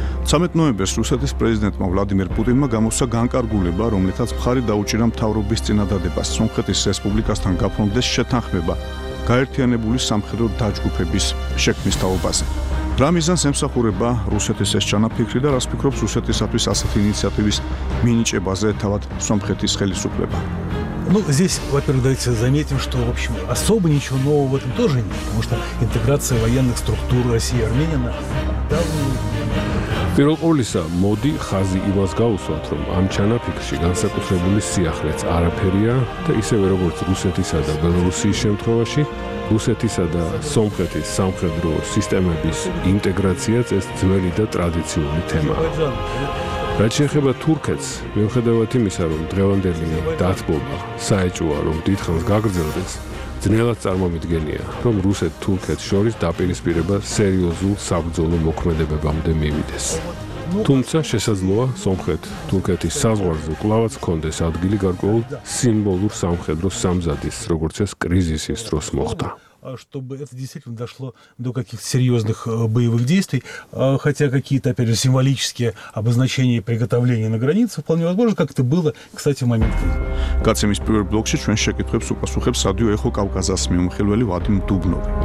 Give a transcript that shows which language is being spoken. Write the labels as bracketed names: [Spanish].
[Georgian] სამეთ ნოემბერს რუსეთის პრეზიდენტმა ვლადიმერ პუტინმა გამოსცა განკარგულება, რომლითაც მხარი დაუჭირა მთავრობის წინადადებას სომხეთის რესპუბლიკასთან გაფრონდეს შეთანხმება გაერთიანებული სამხედრო დაჯგუფების შექმნის თაობაზე. რა მიზანს ემსახურება რუსეთის ეს ჩანაფიქრი და რას ფიქრობს რუსეთისათვის ასეთი ინიციატივის მინიჭებაზე თავად სომხეთის ხელისუფლება? [Russian] Ну, здесь, во-первых, давайте заметим, что, в общем, особо ничего нового в этом тоже нет, потому что интеграция военных структур России и Армении она [Georgian] პირველ ყოვლისა, მოდი ხაზი იმას გავუსვათ, რომ ამ ჩანაფიქრში განსაკუთრებული სიახლეც არაფერია და ისევე როგორც რუსეთისა და ბელორუსის შემთხვევაში, რუსეთისა და სომხეთის სამხედრო სისტემების ინტეგრაციაც ეს ძველი და ტრადიციული თემაა. რაც შეეხება თურქეთს, მიუხედავად იმისა, რომ დღევანდელი დათბობა საეჭოა, რომ დიდხანს გაგრძელდეს, ძნელად წარმომიდგენია, რომ რუსეთ-თურქეთს შორის დაპირისპირება სერიოზულ საბრძოლო მოქმედებებამდე მივიდეს. თუმცა შესაძლოა სომხეთ-თურქეთის საზღვარზე კლავაც ჰქონდეს ადგილი გარკვეულ სიმბოლურ სამხედრო სამზადის, როგორც ეს კრიზისის დროს მოხდა. [Russian] Чтобы это действительно дошло до каких-то серьезных боевых действий, хотя какие-то, опять же, символические обозначения приготовления на границе вполне возможно, как это было, кстати, в момент кризиса. Кацем из первого блока, чем шекетхэпс упасухэпс саду эхо Кавказа с мимом хилвэли Вадим Дубнови.